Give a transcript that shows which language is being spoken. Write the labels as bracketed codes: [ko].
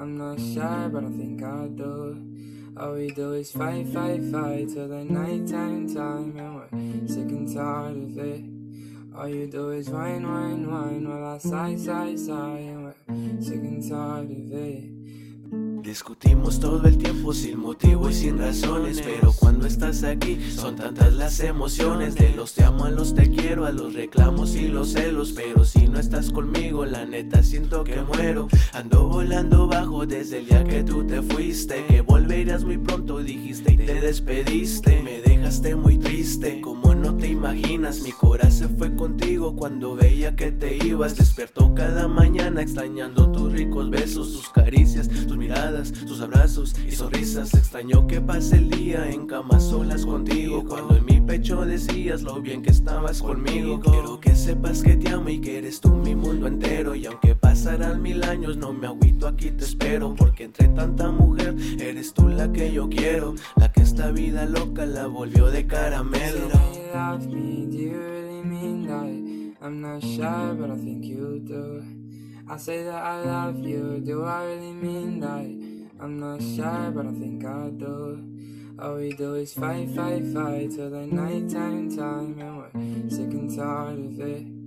[en] I'm not sure, but I think I do. All we do is fight, fight, fight till the nighttime time, and we're sick and tired of it. All you do is whine, whine, whine while I sigh, sigh, sigh, and we're sick and tired of it. [es] Discutimos todo el tiempo sin motivo y sin razones, pero cuando estás aquí son tantas las emociones. De los te amo a los te quiero, a los reclamos y los celos, pero si no estás conmigo la neta siento que muero. Ando volando bajo desde el día que tú te fuiste, que volverías muy pronto dijiste y te despediste. Me dejaste muy triste, como no te imaginas. Mi corazón fue contigo cuando veía que te ibas. Despertó cada mañana extrañando tus ricos besos, tus caricias, tus miradas, tus abrazos y sonrisas. Extraño que pase el día en cama solas contigo, cuando en mi pecho decías lo bien que estabas conmigo. Quiero que sepas que te amo y que eres tú mi mundo entero, y aunque pasarán mil años no me agüito, aquí te espero. Porque entre tanta mujer eres tú la que yo quiero, la que esta vida loca la volvió de caramelo. [en] You say that you love me, do you really mean that? I'm not sure, but I think you do. I say that I love you, do I really mean that? I'm not sure, but I think I do. All we do is fight, fight, fight till the nighttime time, and we're sick and tired of it.